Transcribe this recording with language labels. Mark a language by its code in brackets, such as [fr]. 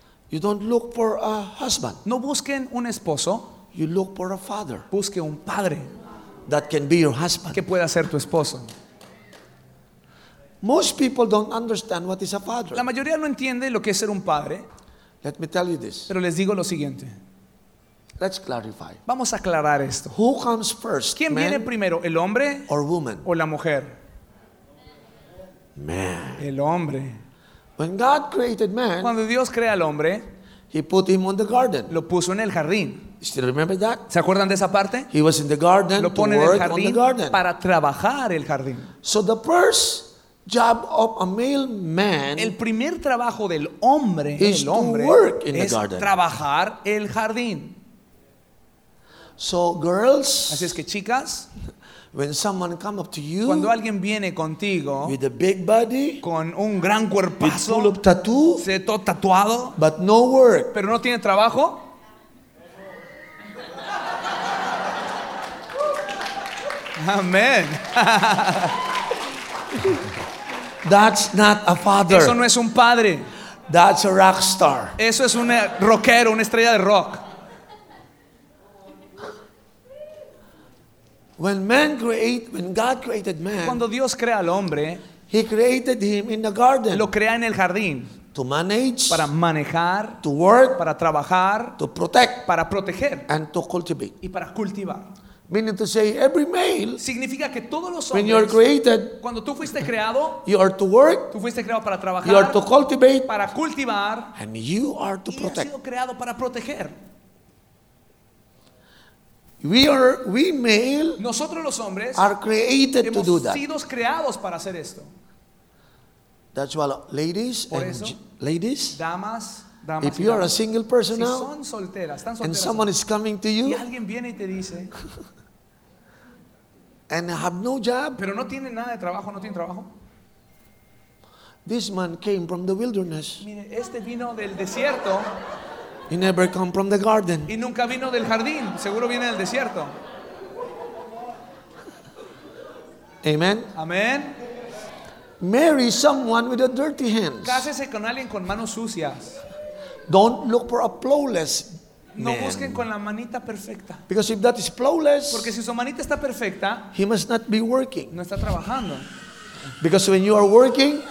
[en] You don't look for a husband. [es] No busquen un esposo. [en] You look for a father. [es] Busque un padre. [en] That can be your husband. [es] Que pueda ser tu esposo. [en] Most people don't understand what is a father. [es] La mayoría no entiende lo que es ser un padre. [en] Let me tell you this. [es] Pero les digo lo siguiente. [en] Let's clarify. [es] Vamos a aclarar esto. [en] Who comes first? [es] ¿Quién viene primero, el hombre [en] or woman? [es] O la mujer. [en] Man. [es] El hombre. [en] When God created man, [es] cuando Dios crea al hombre, [en] he put him on the garden. [es] Lo puso en el jardín. [en] Still remember that? [es] ¿Se acuerdan de esa parte? [en] He was in the garden. [es] Lo pone [en] to work [es] en el jardín para trabajar el jardín. [en] So the first job of a male man, [es] el primer trabajo del hombre, [en] is [es] el hombre [en] to work in [es] es [en] the garden. [es] Trabajar el jardín. [en] So girls, [es] así es que chicas, [en] when someone come up to you, [es] cuando alguien viene contigo, [en] with a big body, [es] con un gran cuerpazo, [en] full of tattoo, [es] se todo tatuado, [en] but no work, [es] pero no tiene trabajo. [en] Amen. That's not a father. [es] Eso no es un padre. [en] That's a rock star. [es] Eso es un rockero, una estrella de rock. [en] When God created man, [es] cuando Dios crea al hombre, [en] he created him in the garden. [es] Lo crea en el jardín. [en] to manage, [es] para manejar, [en] to work, [es] para trabajar, [en] to protect, [es] para proteger, [en] and to cultivate, [es] y para cultivar. [en] Meaning to say, every male, [es] significa que todos los hombres, [en] when you are created, [es] cuando tú fuiste creado, [en] you are to work, [es] tú fuiste creado para trabajar, [en] you are to cultivate, [es] para cultivar, [en] and you are to protect. [es] Y has sido creado para proteger. [en] We male, [es] nosotros los hombres, [en] are created to do that. [es] Hemos sido creados para hacer esto. [en] That's why, ladies, [es] por eso, [en] and ladies, [es] damas, [en] if you are a single person now, [es] si son solteras, están solteras, [en] and someone is coming to you, [es] y alguien viene y te dice, [en] and have no job, [es] pero no tiene nada de trabajo, no tiene trabajo. [en] This man came from the wilderness. [es] Mire, este vino del desierto. [en] He never come from the garden. [es] Y nunca vino del jardín. Seguro viene del desierto. [en] Amen. [es] Amen. [en] Marry someone with a dirty hands. [es] Cásese con alguien con manos sucias. [en] Don't look for a flawless [es] man. No busquen con la manita perfecta. [en] Because if that is flawless, [es] porque si su manita está perfecta, [en] he must not be working. [es] No está trabajando. [en] Because when you are working,